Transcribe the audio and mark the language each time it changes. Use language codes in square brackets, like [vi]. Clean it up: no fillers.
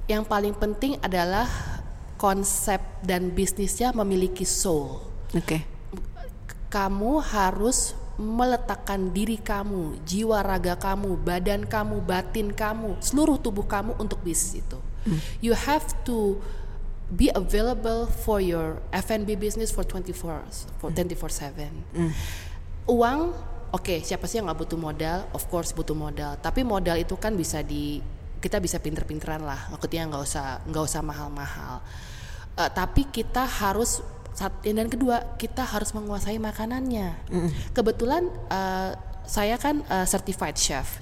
[id] Yang paling penting adalah konsep dan bisnisnya memiliki soul. Oke. Okay. Kamu harus meletakkan diri kamu, jiwa raga kamu, badan kamu, batin kamu, seluruh tubuh kamu untuk bisnis itu. [en] You have to be available for your F&B business for 24/7. [id] Uang. Oke, okay, siapa sih yang nggak butuh modal? [en] Of course [id] butuh modal. Tapi modal itu kan bisa kita bisa pinter-pinteran lah. Maksudnya nggak usah mahal-mahal. Tapi kita harus dan kedua kita harus menguasai makanannya. Kebetulan saya kan [en] certified chef.